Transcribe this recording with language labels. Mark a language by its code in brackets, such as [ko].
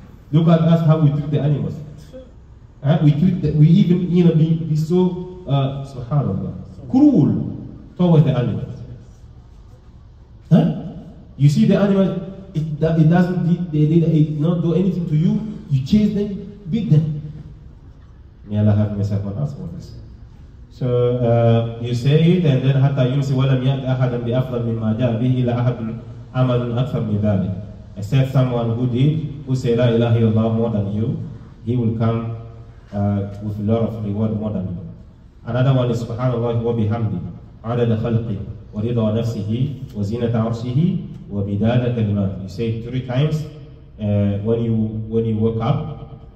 [en] Look at us, how we treat the animals. And we even be so subhanAllah, cruel towards the animals. Huh? You see the animal, it doesn't do anything to you, you chase them, beat them. May Allah have mercy upon us for this. So you say it, and then [ar] حتى يمسي ولم يأت أحدا بأفضل مما جاء به إلا أحد عمل أكثر من ذلك. [en] Except someone who did, who say [ar] لا إله إلا الله [en] more than you, he will come with a lot of reward more than you. Another one is [ar] سبحان الله وبحمده عدد خلقه ورضا نفسه وزينة عرشه وبداية كلماته. [en] You say it three times when you wake up.